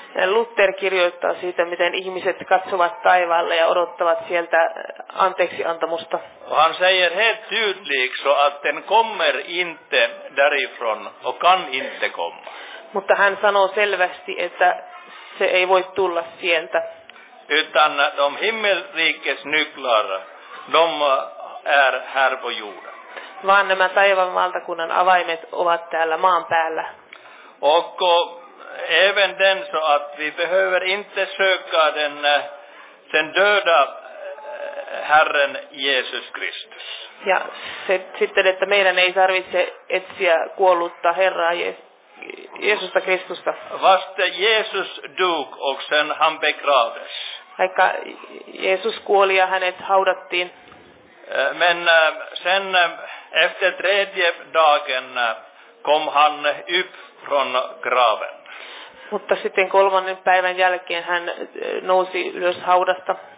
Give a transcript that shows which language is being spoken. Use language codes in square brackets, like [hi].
[fi] Luther kirjoittaa siitä, miten ihmiset katsovat taivaalle ja odottavat sieltä anteeksiantamusta. [sv] Han säger helt tydligt så att den kommer inte därifrån och kan inte komma. [fi] Mutta hän sanoo selvästi, että se ei voi tulla sieltä. [sv] Utan de himmelrikes nycklar, de är här på jorden. [fi] Vaan nämä taivaan valtakunnan avaimet ovat täällä maan päällä. [sv] Och även den så att vi behöver inte söka den döda Herren Jesus Kristus. [fi] Ja se, sitten, että meidän ei tarvitse etsiä kuollutta Herraa Jeesusta Kristusta. [sv] Vasta Jeesus dog och sen han begravdes. [fi] Vaikka Jeesus kuoli ja hänet haudattiin. [sv] Men sen efter tredje dagen kom han upp från graven. [fi] Mutta sitten kolmannen päivän jälkeen hän nousi ylös haudasta.